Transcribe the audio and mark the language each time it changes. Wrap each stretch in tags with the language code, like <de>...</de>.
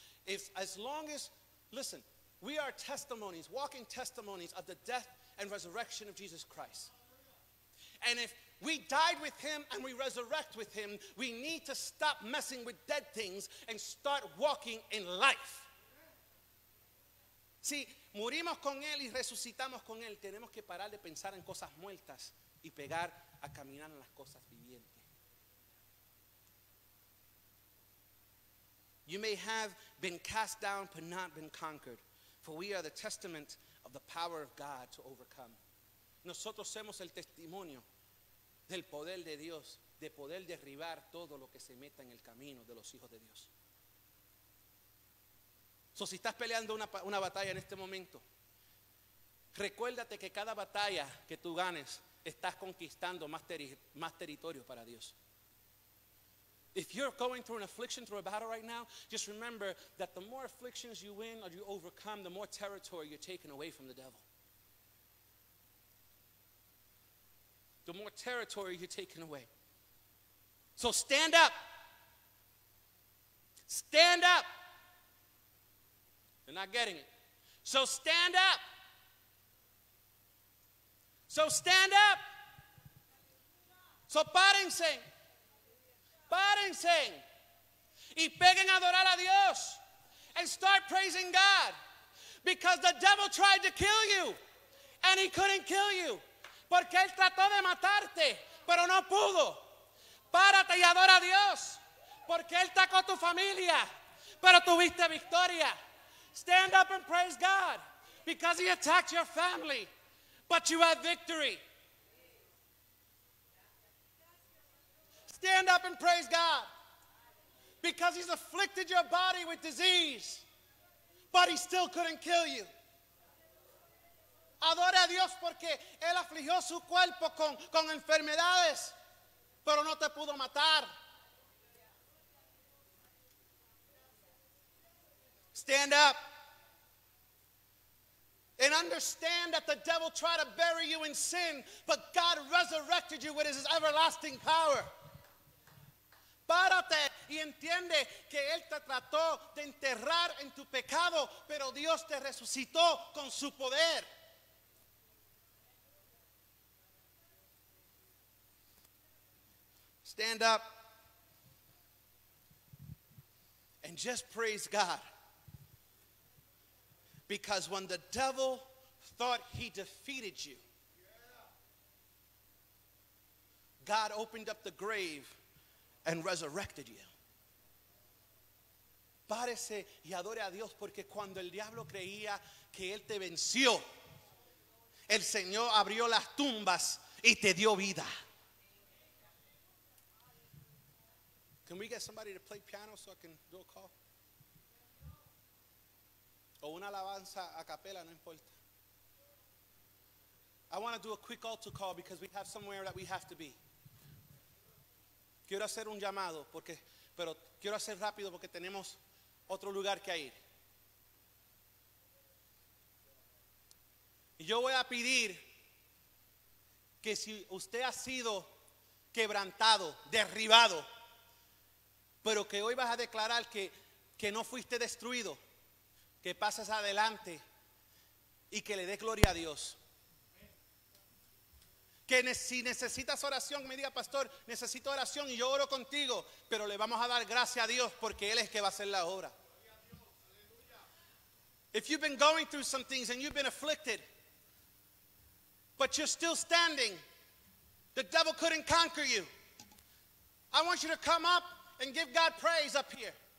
<en>If as long as, listen, we are testimonies, walking testimonies of the death and resurrection of Jesus Christ. And if we died with him and we resurrect with him, we need to stop messing with dead things and start walking in life.</en> <es>Si morimos con él y resucitamos con él, tenemos que parar de pensar en cosas muertas y pegar a caminar en las cosas vivientes.</es> <en>You may have been cast down, but not been conquered. For we are the testament of the power of God to overcome.</en> <es>Nosotros somos el testimonio del poder de Dios, de poder derribar todo lo que se meta en el camino de los hijos de Dios. So, si estás peleando una batalla en este momento, recuérdate que cada batalla que tú ganes, estás conquistando más territorio para Dios.</es> <en>If you're going through an affliction, through a battle right now, just remember that the more afflictions you win or you overcome, the more territory you're taking away from the devil. The more territory you're taking away. So stand up. Stand up. They're not getting it. So stand up. So stand up. So</en> <es>párense. Párense. Y peguen a adorar a Dios.</es> <en>And start praising God. Because the devil tried to kill you. And he couldn't kill you.</en> <es>Porque él trató de matarte, pero no pudo. Párate y adora a Dios. Porque él atacó tu familia, pero tuviste victoria.</es> <en>Stand up and praise God. Because he attacked your family, but you had victory. Stand up and praise God. Because he's afflicted your body with disease, but he still couldn't kill you.</en> <es>Adore a Dios porque él afligió su cuerpo con enfermedades, pero no te pudo matar.</es> <en>Stand up. And understand that the devil tried to bury you in sin, but God resurrected you with his everlasting power.</en> <es>Párate y entiende que él te trató de enterrar en tu pecado, pero Dios te resucitó con su poder.</es> <en>Stand up and just praise God. Because when the devil thought he defeated you, God opened up the grave and resurrected you.</en> <es>Párese y adore a Dios porque cuando el diablo creía que él te venció, el Señor abrió las tumbas y te dio vida.</es> <en>Can we get somebody to play piano so I can do a call?</en> <es>O una alabanza a capela, no importa.</es> <en>I want to do a quick altar call because we have somewhere that we have to be.</en> <es>Quiero hacer un llamado porque, pero quiero hacer rápido porque tenemos otro lugar que ir. Y yo voy a pedir que si usted ha sido quebrantado, derribado, pero que hoy vas a declarar que no fuiste destruido, que pases adelante y que le des gloria a Dios. Que si necesitas oración, me diga, pastor, necesito oración y yo oro contigo, pero le vamos a dar gracias a Dios porque Él es que va a hacer la obra.</es> <en>If you've been going through some things and you've been afflicted, but you're still standing, the devil couldn't conquer you, I want you to come up and give God praise up here.</en>